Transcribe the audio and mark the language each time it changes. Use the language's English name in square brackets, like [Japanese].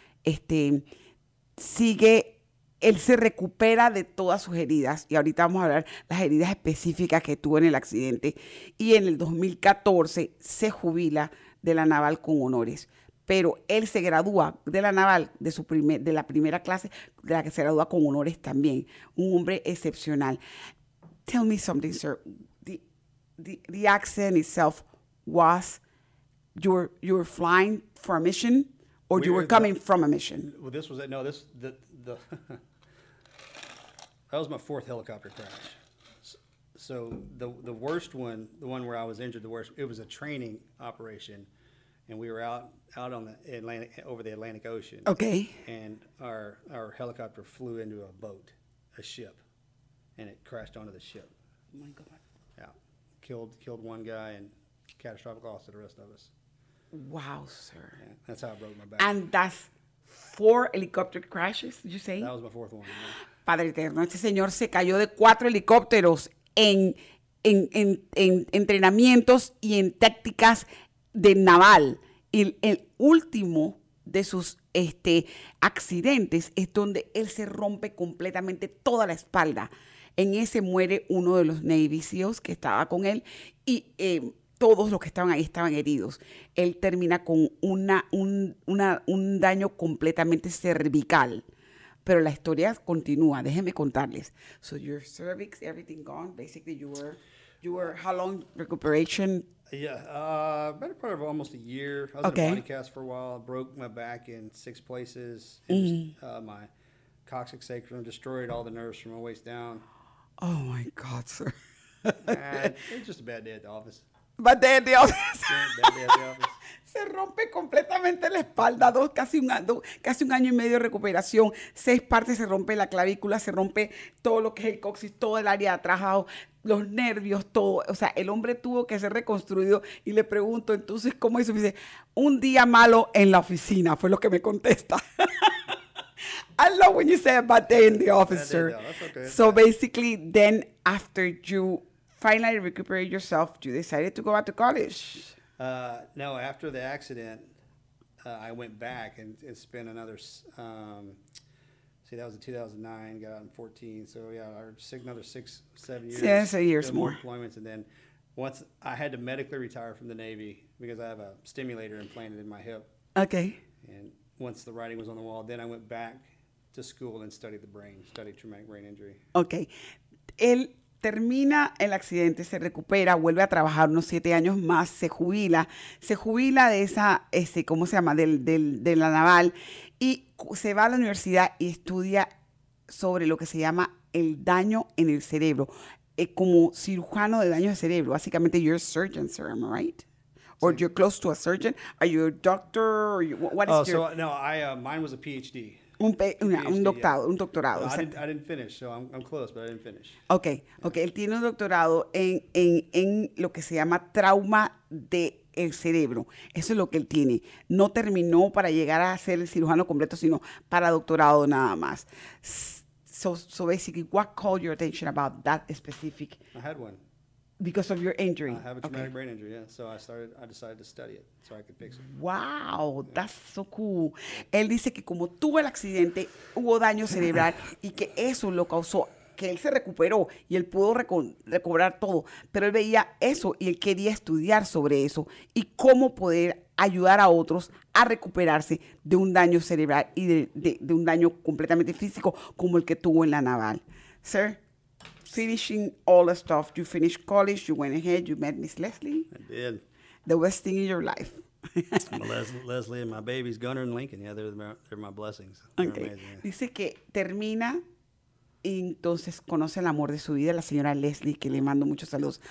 [Spanish] Él se recupera de todas sus heridas y ahorita vamos a hablar las heridas específicas que tuvo en el accidente. Y en el 2014 se jubila de la naval con honores. Pero él se gradúa de la naval, de la primera clase, de la que se gradúa con honores también. Un hombre excepcional. [English] Tell me something, sir. The accident itself was you were flying for a mission or you were coming from a mission? Well, this was it. No, this the that was my fourth helicopter crash. So the worst one, the one where I was injured, the worst, it was a training operation. And we were out on the Atlantic, over the Atlantic Ocean. Okay. And our helicopter flew into a boat, a ship, and it crashed onto the ship. Oh my God. Yeah. Killed one guy and catastrophic loss to the rest of us. Wow, sir. Yeah, that's how I broke my back. And that's four helicopter crashes, did you say? That was my fourth one. [Spanish] Padre Eterno, este señor se cayó de cuatro helicópteros en entrenamientos y en tácticas de naval. El último de sus accidentes es donde él se rompe completamente toda la espalda. En ese muere uno de los Navy SEALs que estaba con él y todos los que estaban ahí estaban heridos. Él termina con un daño completamente cervical. Pero la historia continúa. Déjenme contarles. [English] So your cervix, everything gone. Basically, you were how long recuperation? Yeah, better part of almost a year. I was in a body cast for a while. I broke my back in six places. Mm-hmm. My coccyx sacrum destroyed all the nerves from my waist down. Oh my God, sir! It was just a bad day at the office. Bad day at the office. Yeah, bad day at the office. [Spanish] Se rompe completamente la espalda, casi un año y medio de recuperación, seis partes, se rompe la clavícula, se rompe todo lo que es el coxis, todo el área de atrás, los nervios, todo. O sea, el hombre tuvo que ser reconstruido y le pregunto, entonces, ¿cómo hizo? Me dice, un día malo en la oficina, fue lo que me contesta. [English] I love when you say a bad day in the office, sir. Okay. So basically, then after you finally recuperate yourself, you decided to go back to college. No, after the accident, I went back and spent another, that was in 2009, got out in 14. So yeah, another seven years more deployments. And then once I had to medically retire from the Navy because I have a stimulator implanted in my hip. Okay. And once the writing was on the wall, then I went back to school and studied traumatic brain injury. Okay. [Spanish] Termina el accidente, se recupera, vuelve a trabajar unos siete años más, se jubila de esa, ¿cómo se llama?, de la naval, y se va a la universidad y estudia sobre lo que se llama el daño en el cerebro, como cirujano de daño de cerebro. Básicamente, [English] you're a surgeon, sir, am I right? Or [Spanish] sí. [English] You're close to a surgeon? Are you a doctor? Mine was a PhD. [Spanish] Un doctorado. [English] Well, I didn't finish, so I'm close, but I didn't finish. Okay, yeah. [Spanish] Okay. Él tiene un doctorado en lo que se llama trauma del cerebro. Eso es lo que él tiene. No terminó para llegar a ser el cirujano completo, sino para doctorado nada más. [English] So basically, what called your attention about that specific? I had one. Because of your injury. I have a traumatic brain injury, yeah. So I decided to study it so I could fix it. Wow, yeah. That's so cool. [Spanish] Él dice que como tuvo el accidente, hubo daño cerebral y que eso lo causó que él se recuperó y él pudo recobrar todo, pero él veía eso y él quería estudiar sobre eso y cómo poder ayudar a otros a recuperarse de un daño cerebral y de un daño completamente físico como el que tuvo en la naval. [English] Sir, finishing all the stuff, you finished college, you went ahead, you met Miss Leslie. I did. The best thing in your life. Leslie and my babies, Gunner and Lincoln, yeah, they're my blessings. Okay. Amazing, yeah. [Spanish] Dice que termina y entonces conoce el amor de su vida, la señora Leslie, que le mando muchos saludos.